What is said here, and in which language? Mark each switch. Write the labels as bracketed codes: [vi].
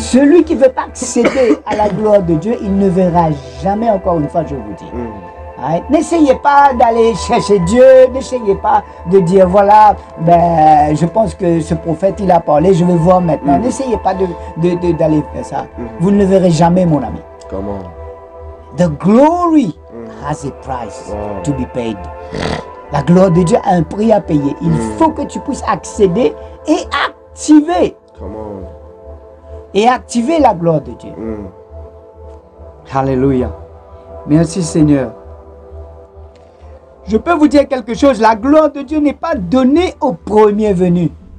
[fr] celui qui ne veut pas accéder à la gloire de Dieu, il ne verra jamais, encore une fois, je vous dis. N'essayez pas d'aller chercher Dieu, n'essayez pas de dire, voilà, je pense que ce prophète, il a parlé, je vais voir maintenant. N'essayez pas d'aller faire ça. Vous ne le verrez jamais, mon ami. Comment? [en] The glory has a price to be paid. [fr] La gloire de Dieu a un prix à payer. Il faut que tu puisses accéder et activer. Et activer la gloire de Dieu. Alléluia. Merci Seigneur. Je peux vous dire quelque chose, la gloire de Dieu n'est pas donnée au premier venu.